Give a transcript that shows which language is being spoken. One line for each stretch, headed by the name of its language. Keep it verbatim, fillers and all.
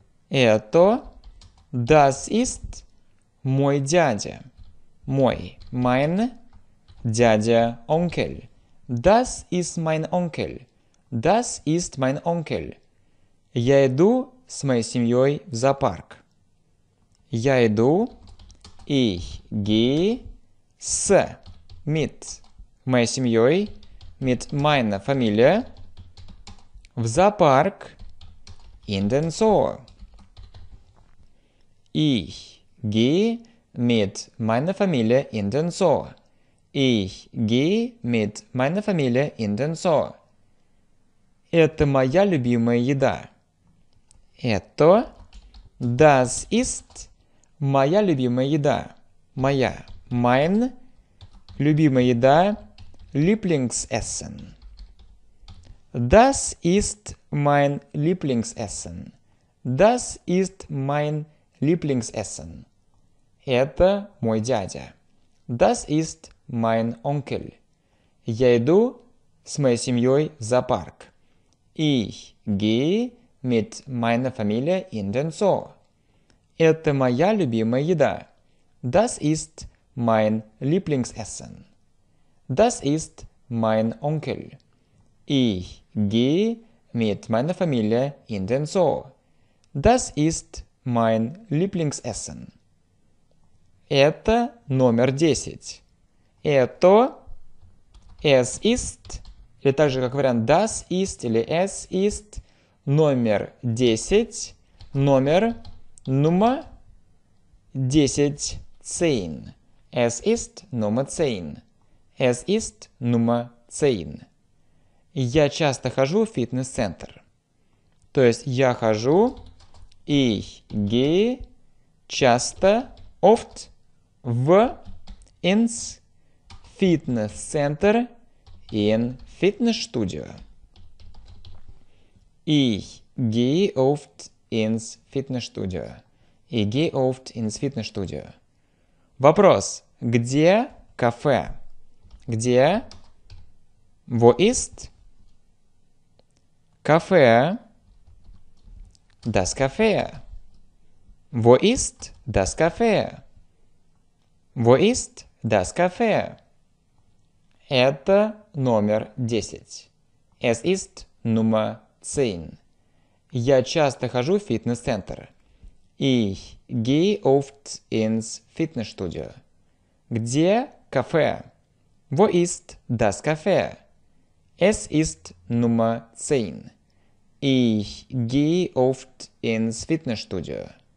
Russian: Это,
German: das ist
Russian: мой дядя. Мой,
German: mein,
Russian: дядя,
German: Onkel. Das ist mein Onkel. Das ist mein Onkel.
Russian: Я иду с моей семьей в зоопарк. Я иду,
German: ich gehe,
Russian: с,
German: mit,
Russian: моей семьей,
German: mit meiner Familie,
Russian: в зоопарк,
German: in den Zoo. Ich gehe mit meiner Familie in den Zoo. Ich gehe mit meiner Familie in den Zoo.
Russian: Это моя любимая еда. Это,
German: das ist,
Russian: моя любимая еда. Моя,
German: mein,
Russian: любимая еда,
German: Lieblingsessen. Das ist mein Lieblingsessen. Das ist mein Lieblingsessen.
Russian: Это мой дядя.
German: Das ist mein Onkel.
Russian: Я иду с моей семьей в зоопарк.
German: Ich gehe mit meiner Familie in den Zoo.
Russian: Это моя любимая еда.
German: Das ist mein Lieblingsessen. Das ist mein Onkel. Ich gehe mit meiner Familie in den Zoo. Das ist mein Lieblingsessen.
Russian: Это номер десять. Это,
German: es ist,
Russian: или также как вариант
German: das ist
Russian: или
German: es ist,
Russian: номер десять, номер,
German: Nummer
Russian: десять,
German: zehn. Es ist Nummer zehn. Es ist Nummer zehn.
Russian: Я часто хожу в фитнес-центр. То есть я хожу,
German: ich gehe,
Russian: часто,
German: oft,
Russian: в,
German: ins,
Russian: фитнес-центр, in, фитнес-студио.
German: Ich gehe oft ins Fitnessstudio. Ich gehe oft ins Fitnessstudio.
Russian: Вопрос. Где кафе? Где?
German: Wo ist?
Russian: Кафе.
German: Das Café. Wo ist das Café? Wo ist das Café?
Russian: Это номер десять.
German: Es ist Nummer zehn.
Russian: Я часто хожу в фитнес-центр.
German: Ich gehe oft ins Fitnessstudio.
Russian: Где кафе?
German: Wo ist das Café? Es ist Nummer zehn. Ich gehe oft ins Fitnessstudio.